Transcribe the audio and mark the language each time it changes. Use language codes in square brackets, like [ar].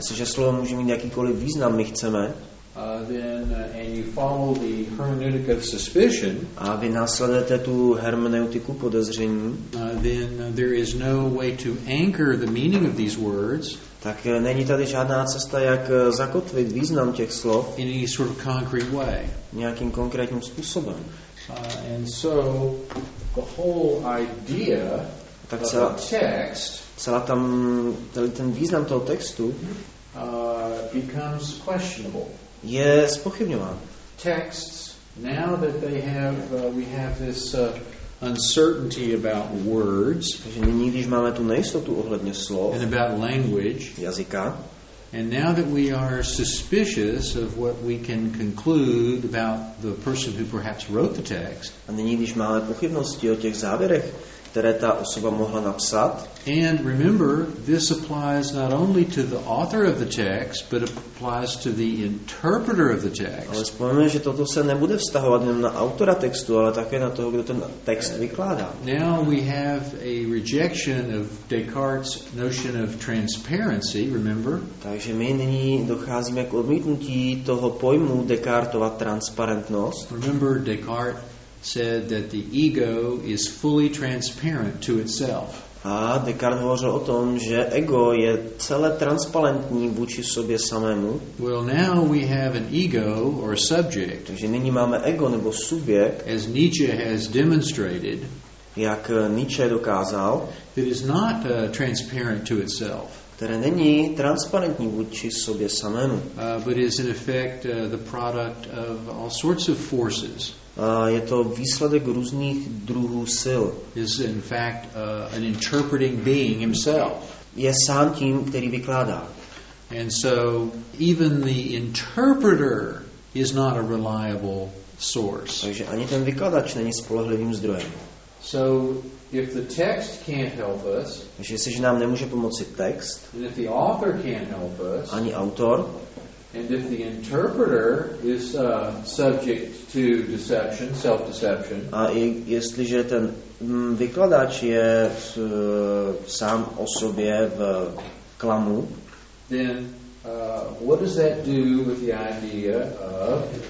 [cs] Jestliže slovo může mít jakýkoliv význam, my chceme. [en] And you follow the hermeneutic of suspicion. [cs] A vy následujete tu hermeneutiku podezření. [en] There is no way to anchor the meaning of these words. [cs] Tak není tady žádná cesta, jak zakotvit význam těch slov. [en] In any sort of concrete way. [cs] Nějakým konkrétním způsobem. [en] And so the whole idea. [cs] Tak celá [en] text. [cs] Celá tam ten význam toho textu. [en] Becomes questionable. [cs] Je zpochybňován. [en] Texts now that they have we have this uncertainty about words, [cs] že nyní, když máme tu nejistotu ohledně slov, [en] and about language, [cs] jazyka, [en] and now that we are suspicious of what we can conclude about the person who perhaps wrote the text, [cs] a nyní, když máme pochybnosti o těch závěrech, které ta osoba mohla napsat. [en] And remember, this applies not only to the author of the text, but applies to the interpreter of the text. [cs] Ale vzpomeňme, že toto se nebude vztahovat jen na autora textu, ale také na toho, kdo ten text vykládá. [en] Now we have a rejection of Descartes' notion of transparency, remember? [cs] Takže my nyní docházíme k odmítnutí toho pojmu Descartova transparentnost. [en] Remember, Descartes said that the ego is fully transparent to itself. [cs] A Descartes hovořil o tom, že ego je celé transparentní vůči sobě samému. [en] Well, now we have an ego or subject. [cs] Takže nyní máme ego nebo subjekt. [en] As Nietzsche has demonstrated, [cs] jak Nietzsche dokázal, [en] that is not transparent to itself. [cs] Které není transparentní vůči sobě samému. [en] But is in effect the product of all sorts of forces. [cs] Je to výsledek různých druhů sil. [en] Is in fact an interpreting being himself. [cs] Je sám tím, který vykládá. [en] And so even the interpreter is not a reliable source. [cs] Takže ani ten vykladač není spolehlivým zdrojem. [en] So if the text can't help us, [cs] takže jestliže nám nemůže pomoci text, [en] and if the author can't help us, [cs] ani autor, [en] and if the interpreter is subject to deception, self-deception. [cs] A i jestliže ten vykladač je sám o sobě v klamu, [en] then what does that do with the idea of?